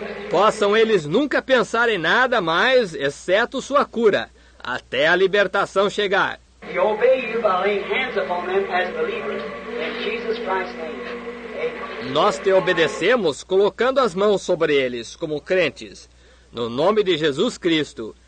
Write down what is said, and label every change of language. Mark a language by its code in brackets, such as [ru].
[pt] Possam eles nunca pensar em nada mais, exceto sua cura. até a libertação chegar. [en] We obey you by laying hands upon them as believers in Jesus Christ's name. [pt] Nós te obedecemos colocando as mãos sobre eles como crentes, no nome de Jesus Cristo.